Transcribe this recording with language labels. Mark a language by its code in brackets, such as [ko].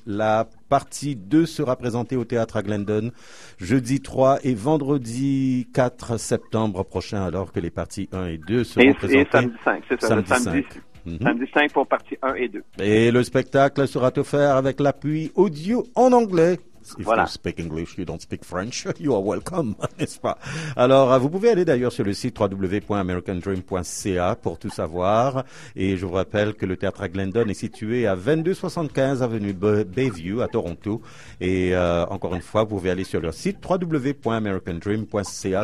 [fr] La partie 2 sera présentée au Théâtre à Glendon jeudi 3 et vendredi 4 septembre prochain, alors que les parties 1 et 2 seront présentées. Et samedi 5. Samedi 5 pour partie 1 et 2. Et le spectacle sera offert avec l'appui audio en anglais. [en] If [fr] voilà. [en] You speak English, you don't speak French, you are welcome, [fr] n'est-ce pas? Alors, vous pouvez aller d'ailleurs sur le site www.americandream.ca pour tout savoir. Et je vous rappelle que le Théâtre à Glendon est situé à 2275 Avenue Bayview à Toronto. Et encore une fois, vous pouvez aller sur leur site www.americandream.ca.